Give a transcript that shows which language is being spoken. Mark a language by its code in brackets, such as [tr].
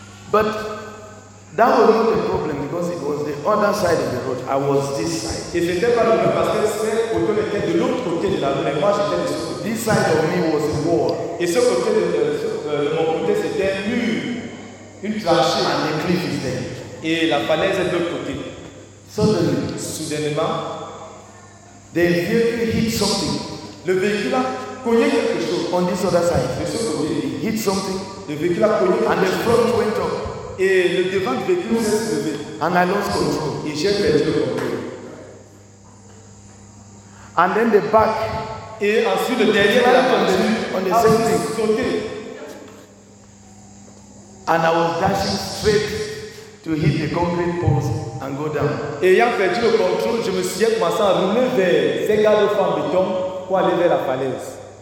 [en] But that was not a problem because it was the other side of the road. I was this side. [fr] Et c'était pas le parce que ce poteau était de l'autre côté de la route. Mais moi j'étais de ce côté. [en] This side of me was a wall. [fr] Et ce côté de mon côté c'était un mur, une trachée. [en] And the cliff is there. [fr] Et la falaise est de l'autre côté. [en] Suddenly, [fr] soudainement, [en] the vehicle hit something. [fr] Le véhicule a cogné quelque chose. [en] On this other side. [fr] De ce côté. [en] Hit something. [fr] Le véhicule a cogné. [en] And the front went up. [fr] Et le devant du véhicule s'est levé. [en] And I lost control. [fr] Et j'ai perdu le contrôle. [en] And then the back. [fr] Et ensuite le derrière a continué. [en] On the same thing. [fr] Sauté. [en] And I was dashing straight to hit the concrete poles and go down. [fr] Ayant perdu le contrôle, je me suis commencé à rouler vers ces gardes-fonds en béton pour aller vers la falaise.